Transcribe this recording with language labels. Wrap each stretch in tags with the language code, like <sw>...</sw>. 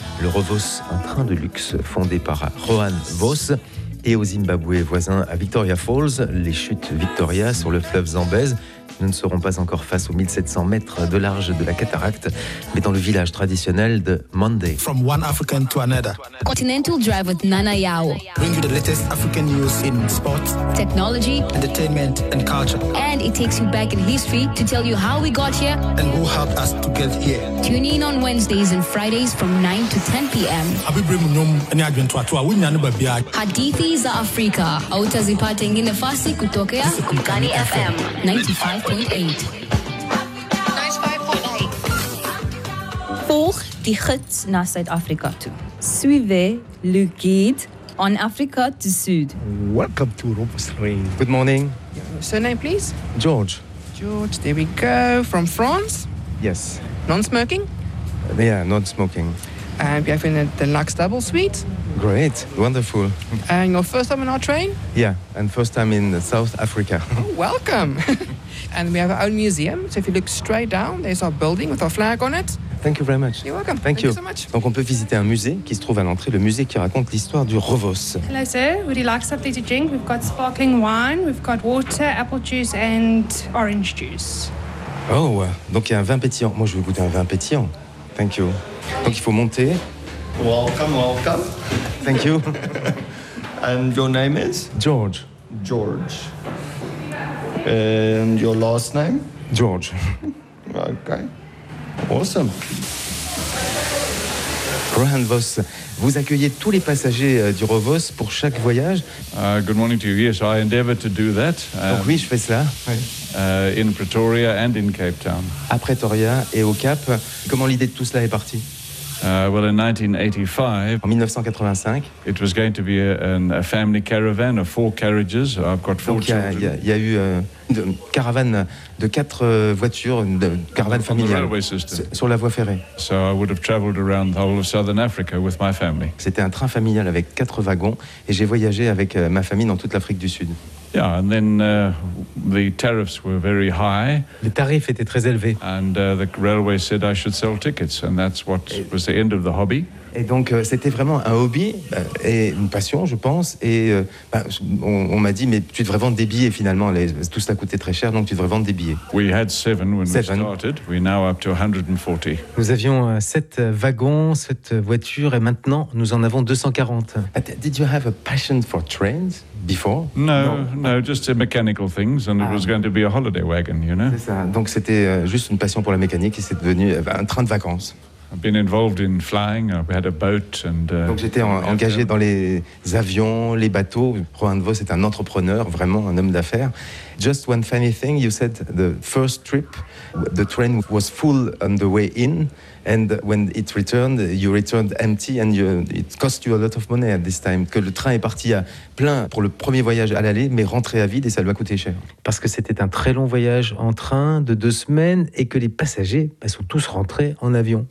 <fr>Le Revos, un train de luxe fondé par Rohan Vos. Et au Zimbabwe voisin à Victoria Falls, les chutes Victoria sur le fleuve Zambèze. Nous ne serons pas encore face aux 1700 mètres de large de la cataracte, mais dans le village traditionnel de Mandé.</fr> <en>From one African to another. Continental Drive with Nana Yao. Bring you the latest African news in sports, technology, entertainment and culture. And it takes you back in history to tell you how we got here and who helped us to get here. Tune in on Wednesdays and Fridays from 9 to 10 p.m. Abi bring no any adventure to our nyane babia.</en> <sw>Hadithi za Afrika. Autazipata ngine fasi kutokea Kumkani FM 95. 5.8.</sw> <af>Volg die gids na Suid-Afrika toe.</af> <fr>Suivez le guide en Afrika du Sud.</fr> <en>Welcome to Robos Rain. Good morning. Your surname, please? George. George, there we go. From France? Yes. Non-smoking? Yeah, non-smoking. And we have in a deluxe double suite? Great, wonderful. And your first time on our train? Yeah, and first time in South Africa. Oh, welcome. And we have our own museum, so if you look straight down, there's our building with our flag on it. Thank you very much. You're welcome. Thank you so much.</en> <fr>Donc on peut visiter un musée qui se trouve à l'entrée, le musée qui raconte l'histoire du Revos.</fr> <en>Hello sir, would you like something to drink? We've got sparkling wine, we've got water, apple juice and orange juice.</en> <fr>Oh, donc il y a un vin pétillant. Moi je vais goûter un vin pétillant.</fr> <en>Thank you.</en> <fr>Donc il faut monter.</fr> <en>Welcome, welcome. Thank you. And your name is? George. George. And your last name? George. Okay. Awesome.</en> <fr>Rohan Vos, vous accueillez tous les passagers du Revos pour chaque voyage.</fr> <en>Good morning to you. Yes, I endeavor to do that.</en> <fr>Donc oui, je fais cela.</fr> <en>In Pretoria and in Cape Town.</en> <fr>À Pretoria et au Cap. Comment l'idée de tout cela est partie?</fr> <en>Well, in 1985,</en> <fr>en 1985,</fr> <en>it was going to be a family caravan of four carriages. I've got four children.</en> <fr>Donc il y a eu une caravane de quatre voitures, une caravane familiale sur la voie ferrée.</fr> <en>So I would have traveled around the whole of Southern Africa with my family.</en> <fr>C'était un train familial avec quatre wagons et j'ai voyagé avec ma famille dans toute l'Afrique du Sud.</fr> <en>Yeah, and then the tariffs were very high.</en> <fr>Les tarifs étaient très élevés.</fr> <en>And the railway said I should sell tickets, and that's what was the end of the hobby.</en> <fr>Et donc c'était vraiment un hobby et une passion, je pense. Et on m'a dit, mais tu devrais vendre des billets finalement. Tout cela coûtait très cher, donc tu devrais vendre des billets.</fr> <en>We had seven when we started. We're now up to 140.</en> <fr>Nous avions sept wagons, sept voitures, et maintenant nous en avons 240.</fr> <en>But did you have a passion for trains? Before? No, just the mechanical things, and it was going to be a holiday wagon, you know.</en> <fr>C'est ça. Donc c'était juste une passion pour la mécanique, et c'est devenu un train de vacances.</fr> <en>I've been involved in flying. We had a boat, and</en> <fr>donc j'étais engagé dans les avions, les bateaux. Rohan Vos est un entrepreneur, vraiment un homme d'affaires.</fr> <en>Just one funny thing, you said the first trip, the train was full on the way in. And when it returned, you returned empty, and it cost you a lot of money at this time.</en> <fr>Que le train est parti à plein pour le premier voyage à l'aller, mais rentré à vide et ça lui a coûté cher. Parce que c'était un très long voyage en train de deux semaines et que les passagers sont tous rentrés en avion.</fr>